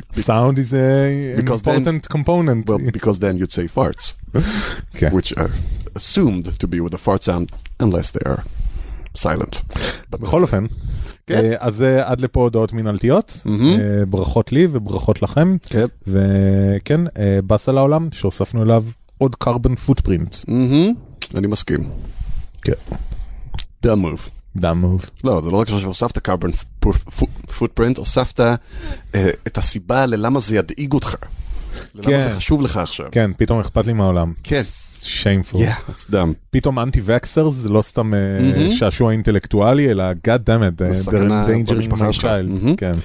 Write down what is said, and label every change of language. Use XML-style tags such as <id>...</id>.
<en>Sound is an important component. Well, because then you'd say farts. Okay. Which are assumed to be with a fart sound, unless they are silent.</en> <he>בכל אופן, אז עד לפה הודעות מנהלתיות, ברכות לי וברכות לכם, וכן, בס על העולם שהוספנו אליו עוד carbon footprint. אני מסכים. כן.</he> <en>Dumb move.</en> <he>לא, זה לא רק שהוספת carbon footprint, הוספת את הסיבה ללמה זה ידאיג אותך, ללמה זה חשוב לך עכשיו. כן, פתאום אכפת לי מהעולם. כן.</he> <en>Shameful. Yeah, that's dumb.</en> <he>פתאום</he> <en>anti-vaxxers,</en> <he>לא סתם שעשוע אינטלקטואלי, אלא</he> <en>God damn it, they're endangering my child.</en>